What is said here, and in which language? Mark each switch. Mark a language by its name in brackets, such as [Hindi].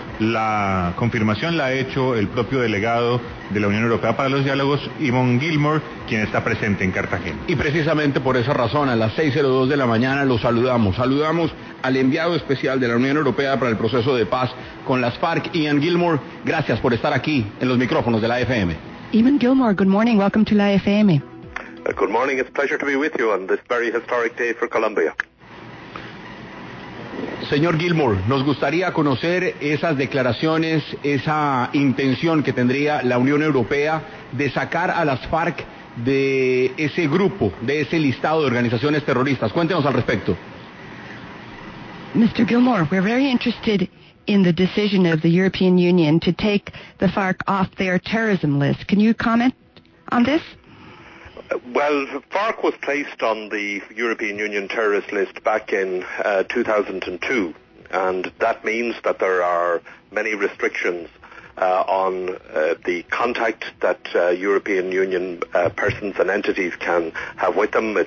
[Spanish] La confirmación la ha hecho el propio delegado de la Unión Europea para los diálogos, Eamon Gilmore, quien está presente en Cartagena. Y precisamente por esa razón, a las 6:02 de la mañana lo saludamos. Saludamos al enviado especial de la Unión Europea para el proceso de paz con las FARC, Eamon Gilmore. Gracias por estar aquí en los micrófonos de la FM. [English] Eamon Gilmore, good morning, welcome to la FM. Good morning, it's a pleasure to be with you on this very historic day for Colombia. [Spanish] Señor Gilmore, nos gustaría conocer esas declaraciones, esa intención que tendría la Unión Europea de sacar a las FARC de ese grupo, de ese listado de organizaciones terroristas. Cuéntenos al respecto. [English] Mr. Gilmore, we're very interested in the decision of the European Union to take the FARC off their terrorism list. Can you comment on this? Well, FARC was placed on the European Union terrorist list back in 2002, and that means that there are many restrictions on the contact that European Union persons and entities can have with them.